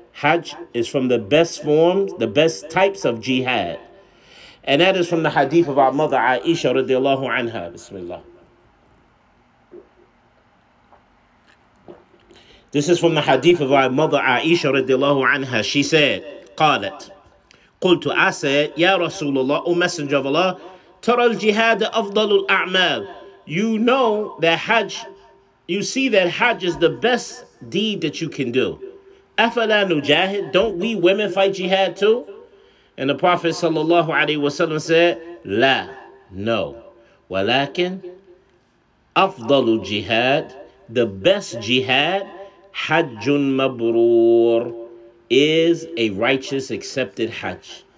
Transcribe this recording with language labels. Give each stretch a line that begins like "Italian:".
English: Hajj is from the best forms, the best types of jihad. And that is from the hadith of our mother Aisha radiallahu anha, bismillah. This is from the hadith of our mother Aisha radiallahu anha. She said,
Arabic: قالت, قلت,
English: I said,
Arabic: يا رسول الله,
English: O Messenger of Allah,
Arabic: ترى الجهاد أفضل الأعمال.
English: You know that Hajj, you see that Hajj is the best deed that you can do.
Arabic: أَفَلَا نُجَاهِدْ,
English: don't we women fight jihad too? And the Prophet sallallahu alaihi wasallam said, "La, no.
Arabic: Walakin afdalu jihad,
English: the best jihad,
Arabic: hajjun mabrur,
English: is a righteous accepted hajj.